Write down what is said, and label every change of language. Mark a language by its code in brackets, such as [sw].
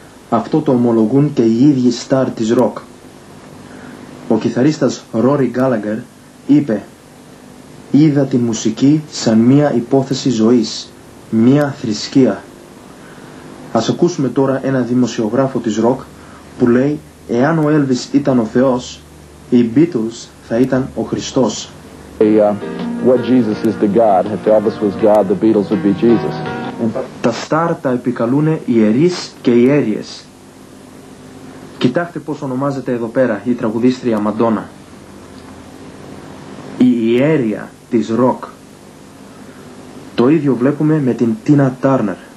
[el] Αυτό το ομολογούν και οι ίδιοι στάρ της ροκ. Ο κιθαρίστας Rory Gallagher είπε «Είδα τη μουσική σαν μία υπόθεση ζωής, μία θρησκεία». Ας ακούσουμε τώρα ένα δημοσιογράφο της ροκ που λέει «Εάν ο Elvis ήταν ο Θεός, οι Beatles θα ήταν ο Χριστός». [en] What Jesus is the God. If Elvis was God, the Beatles would be Jesus. [el] Τα στάρ τα επικαλούν ιερείς και ιέριες. Κοιτάξτε πώς ονομάζεται εδώ πέρα η τραγουδίστρια Μαντόνα. Η ιέρια της ροκ. Το ίδιο βλέπουμε με την Τίνα Τάρνερ.